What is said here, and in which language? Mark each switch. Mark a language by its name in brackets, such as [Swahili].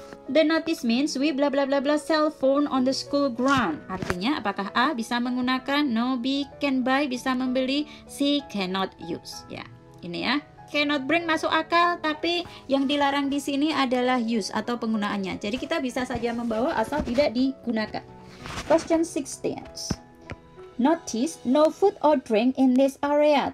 [English] The notice means we blah blah blah blah cell phone on the school ground. [Indonesian] Artinya apakah A bisa menggunakan? [English] No, B can buy, [Indonesian] bisa membeli. [English] C cannot use. [Indonesian] Ya, ini ya. [English] Cannot bring [Indonesian] masuk akal, tapi yang dilarang di sini adalah use atau penggunaannya. Jadi kita bisa saja membawa asal tidak digunakan. [English] Question 16. Notice, no food or drink in this area.